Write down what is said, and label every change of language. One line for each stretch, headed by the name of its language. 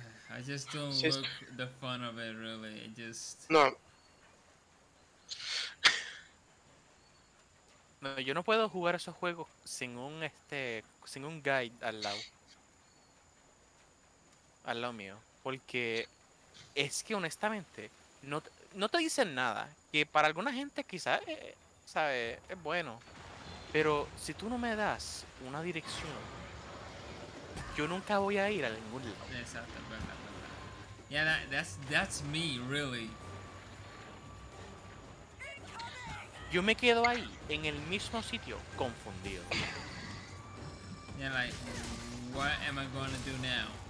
English: I just don't look the fun of it, really. It just... No.
Spanish: No, yo no puedo jugar esos juegos sin un, sin un guide al lado. Al lado mío. Porque es que honestamente no te dicen nada. Que para alguna gente quizás sabe, es bueno. Pero si tú no me das una dirección, yo nunca voy a ir a ningún lado.
English: Exacto, verdad. Yeah, that's me, really.
Spanish: Yo me quedo ahí, en el mismo sitio, confundido.
English: Yeah, like, what am I gonna do now?